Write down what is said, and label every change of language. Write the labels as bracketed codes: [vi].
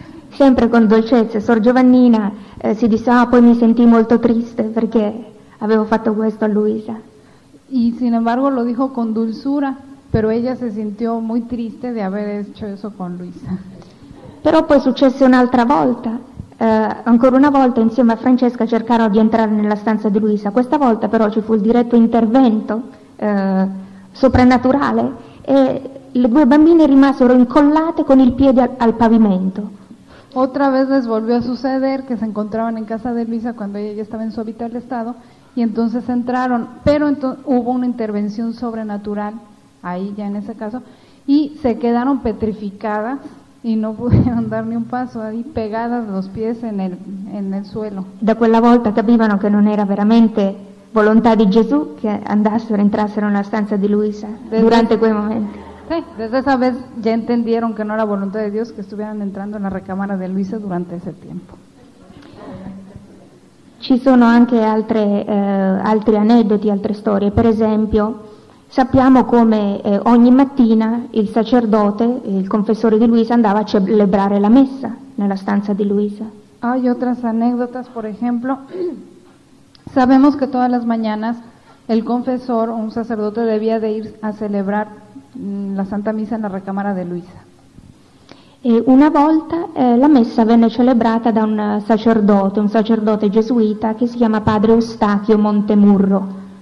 [it] Sempre con dolcezza, Suor Giovannina si disse, ah, poi mi sentì molto triste perché avevo fatto questo a Luisa. [es] Y sin embargo lo dijo con dulzura. Pero ella se sintió muy triste de haber hecho eso con Luisa. [it] Pero poi successe un'altra volta, ancora una volta insieme a Francesca cercarono di entrare nella stanza di Luisa. Questa volta però ci fu il diretto intervento soprannaturale e le due bambine rimasero incollate con il piede al pavimento. [es] Otra vez les volvió a suceder que se encontraban en casa de Luisa cuando ella ya estaba en su habitual estado y entonces entraron, pero hubo una intervención sobrenatural. Ahí ya en ese caso, y se quedaron petrificadas y no pudieron dar ni un paso, ahí pegadas los pies en el suelo. [it] Da quella volta capivano che non era veramente volontà di Gesù che andassero, entrassero nella stanza di Luisa durante quei momenti. [es] Sí, desde esa vez ya entendieron que no era voluntad de Dios que estuvieran entrando en la recámara de Luisa durante ese tiempo. [it] Ci sono anche altri aneddoti, altre storie, per esempio. Sappiamo come ogni mattina il sacerdote, il confessore di Luisa, andava a celebrare la messa nella stanza di Luisa. [es] Hay otras anécdotas, por ejemplo, sabemos que todas las mañanas el confesor, un sacerdote, debía de ir a celebrar la Santa Misa en la recámara de Luisa. [it] E una volta la messa venne celebrata da un sacerdote gesuita che si chiama Padre Eustachio Montemurro.